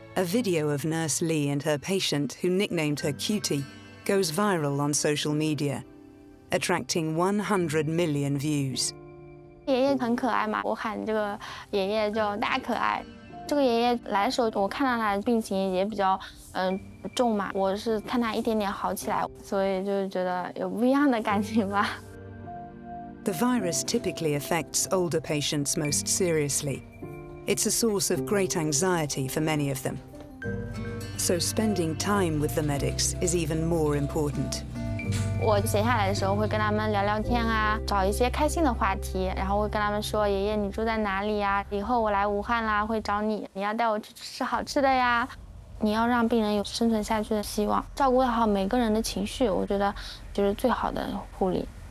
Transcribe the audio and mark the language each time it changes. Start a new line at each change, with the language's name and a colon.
English: A video of Nurse Lee and her patient, who nicknamed her Cutie, goes viral on social media, attracting 100 million views.
Chinese: 爷爷很可爱嘛，我喊这个爷爷叫大可爱。这个爷爷来的时候，我看到他的病情也比较重嘛，我是看他一点点好起来，所以就觉得有不一样的感情吧。
English: The virus typically affects older patients most seriously. It's a source of great anxiety for many of them. So spending time with the medics is even more important.
Chinese: 我闲下来的时候会跟他们聊聊天啊，找一些开心的话题，然后会跟他们说，爷爷你住在哪里呀？以后我来武汉啦，会找你，你要带我去吃好吃的呀。你要让病人有生存下去的希望，照顾好每个人的情绪，我觉得就是最好的护理。